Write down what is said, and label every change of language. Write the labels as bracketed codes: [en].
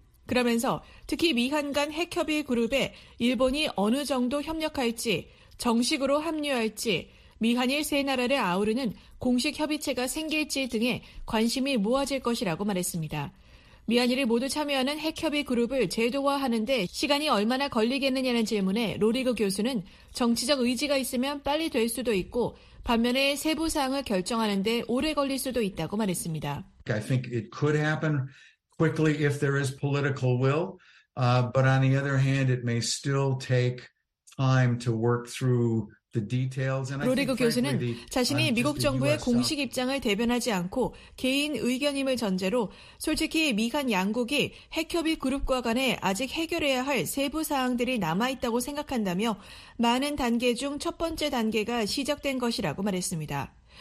[ko] 그러면서 특히 미한 간 핵협의 그룹에 일본이 어느 정도 협력할지, 정식으로 합류할지, 미한일 세 나라를 아우르는 공식 협의체가 생길지 등에 관심이 모아질 것이라고 말했습니다. 미한일이 모두 참여하는 핵협의 그룹을 제도화하는 데 시간이 얼마나 걸리겠느냐는 질문에 로리그 교수는 정치적 의지가 있으면 빨리 될 수도 있고 반면에 세부 사항을 결정하는 데 오래 걸릴 수도 있다고 말했습니다. [en] I think it could happen quickly if there is political will, but on the other hand, it may still take time to work through [ko] 로리그 교수는 자신이 미국 정부의 공식 입장을 대변하지 않고 개인 의견임을 전제로 솔직히 미한 양국이 핵협의 그룹과 간에 아직 해결해야 할 세부 사항들이 남아있다고 생각한다며 많은 단계 중 첫 번째 단계가 시작된 것이라고 말했습니다.